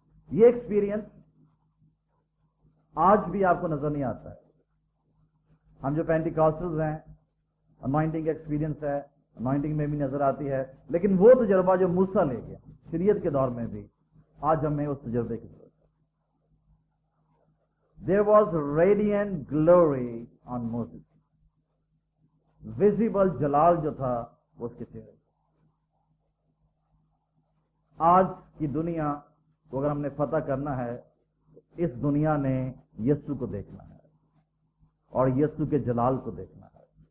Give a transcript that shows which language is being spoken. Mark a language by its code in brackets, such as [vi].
[ur] یہ ایکسپیرینس آج بھی آپ کو نظر نہیں آتا ہے. ہم جو پینٹیکاسٹلز ہیں, انوائنٹنگ ایکسپیرینس ہے, انوائنٹنگ میں بھی نظر آتی ہے, لیکن وہ تجربہ جو موسیٰ لے گیا شریعت کے دور میں بھی, آج ہمیں اس تجربے کی ضرورت ہے. [en] There was radiant glory on Moses. [ur] Visible جلال جو تھا وہ اس کے چہرے. آج کی دنیا کو اگر ہم نے فتح کرنا ہے, اس دنیا نے یسو کو دیکھنا ہے اور یسو کے جلال کو دیکھنا ہے.